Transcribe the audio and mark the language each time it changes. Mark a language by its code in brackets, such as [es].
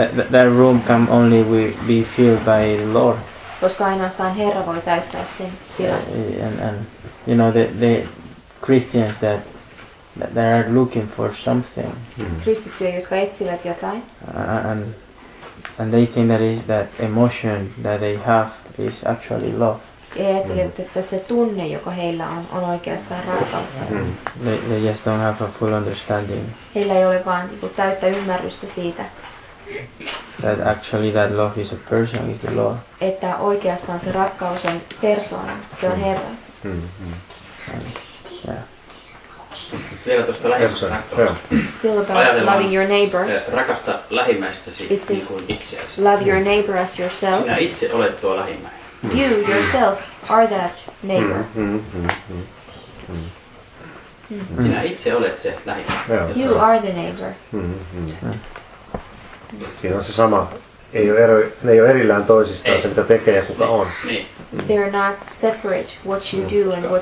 [en] that room can only be filled by the Lord. [fi] Koska ainoastaan Herra voi täyttää sen tilan. [en] And you know, the Christians that are looking for something. [fi] Kristittyjä, jotka etsivät jotain. [en] And they think that is that emotion that they have is actually love. [fi] Ja ajattelet, että se tunne, joka heillä on oikeastaan rakkautta. [en] They just don't have a full understanding. [fi] Heillä ei ole vaan täyttä ymmärrystä siitä. [en] That actually that love is a person, is the Lord. [fi] Että oikeastaan se rakkaus on persoona, se on Herra. Mm. Mm. [en] Yeah. [fi] Vielä tuosta lähimmäisestä tahtoa. Rakasta lähimmäistäsi niin kuin itseäsi. [en] Love your neighbor as yourself. [fi] Sinä itse olet tuo lähimmäinen. [en] Mm. You yourself are that neighbor. Mm. Mm. [fi] Sinä itse olet se lähimmäinen. [en] You are the neighbor. Mm. Mm. [fi] Siinä on se sama. Ei ole ne ei ole erillään toisistaan se, mitä tekee ja kuka on. [en] They are not separate what you do and what you